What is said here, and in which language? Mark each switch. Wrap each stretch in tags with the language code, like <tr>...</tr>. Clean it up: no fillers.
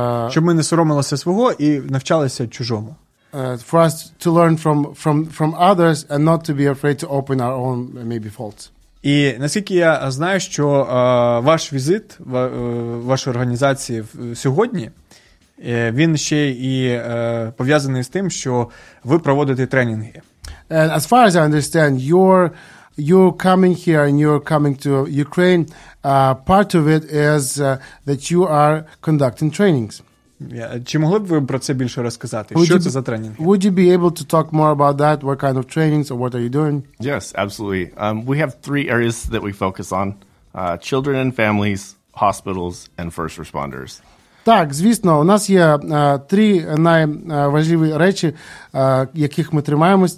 <uk>щоб ми не соромилися свого і навчалися чужому.</uk> <en>For us to learn from others and not to be afraid to open our own maybe faults.</en> <uk>І наскільки я знаю, що ваш візит вашої організації сьогодні, він ще і пов'язаний з тим, що ви проводите тренінги.</uk> <en>And as far as I understand, you're coming here and you're coming to Ukraine, part of it is that you are conducting trainings.</en> <uk>Чи могли б ви про це більше розказати? Що це за тренінги?</uk> <en>Would you be able to talk more about that? What kind of trainings or what are you doing? Yes, absolutely. We have three areas that we focus on. Children and families, hospitals, and first responders.</en> <uk>Так, звісно, у нас є три найважливі речі, яких ми тримаємось.</uk>